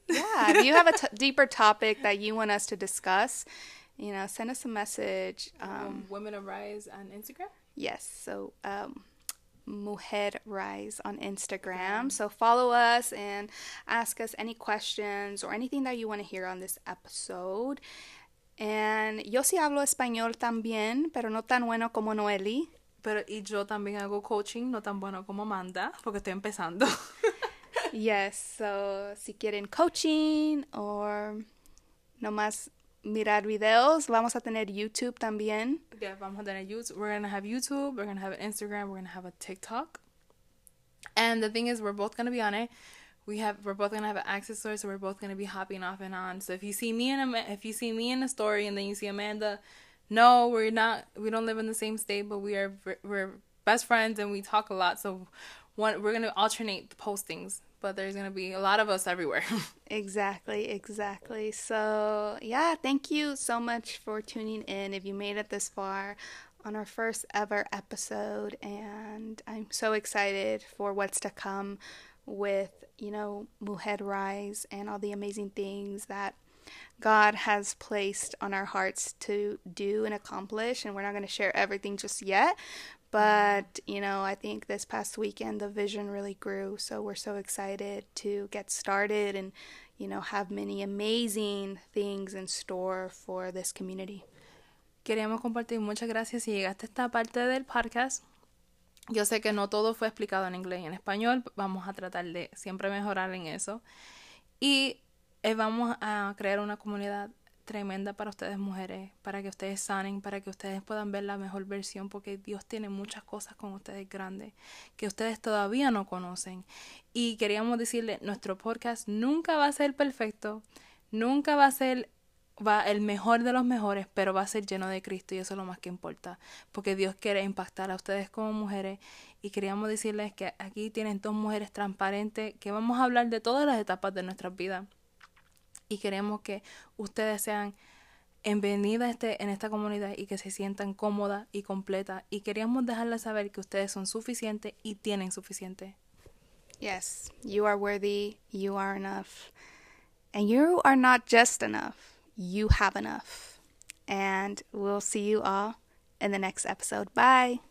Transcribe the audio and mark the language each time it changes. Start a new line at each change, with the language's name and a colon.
English: Yeah, if you have a deeper topic that you want us to discuss, you know, send us a message. Women Arise on Instagram. Yes, so Mujer Rise on Instagram. So follow us and ask us any questions or anything that you want to hear on this episode.
Spanish: And yo sí hablo español también, pero no tan bueno como Noeli. Pero y yo también hago coaching, no tan bueno como Amanda, porque estoy empezando. Yes, so si quieren coaching o nomás mirar videos, vamos a tener YouTube también. Yeah, vamos a tener YouTube.
English: We're going to have YouTube, we're going to have Instagram, we're going to have a TikTok. And the thing is, we're both going to be on it. We're both going to have an access to it, so we're both going to be hopping off and on. So if you see me in a story and then you see Amanda, no, we don't live in the same state, but we're best friends and we talk a lot. So we're going to alternate the postings, but there's going to be a lot of us everywhere. Exactly. So yeah, thank you so much for tuning in. If you made it this far on our first ever episode, and I'm so excited for what's to come with, you know, Mujer Rise and all the amazing things that God has placed on our hearts to do and accomplish. And we're not going to share everything just yet, but you know, I think this past weekend the vision really grew, so we're so excited to get started and, you know, have many amazing things in store for this community.
Spanish: Queremos compartir, muchas gracias si llegaste a esta parte del podcast. Yo sé que no todo fue explicado en inglés y en español, vamos a tratar de siempre mejorar en eso. Y vamos a crear una comunidad tremenda para ustedes mujeres, para que ustedes sanen, para que ustedes puedan ver la mejor versión, porque Dios tiene muchas cosas con ustedes grandes que ustedes todavía no conocen. Y queríamos decirle, nuestro podcast nunca va a ser perfecto, nunca va a ser el mejor de los mejores, pero va a ser lleno de Cristo, y eso es lo más que importa, porque Dios quiere impactar a ustedes como mujeres. Y queríamos decirles que aquí tienen dos mujeres transparentes que vamos a hablar de todas las etapas de nuestras vidas. Y queremos que ustedes sean bienvenidas en esta comunidad y que se sientan cómodas y completas. Y queríamos dejarles saber que ustedes son suficientes y tienen suficiente.
English: Yes, you are worthy, you are enough. And you are not just enough, you have enough. And we'll see you all in the next episode. Bye.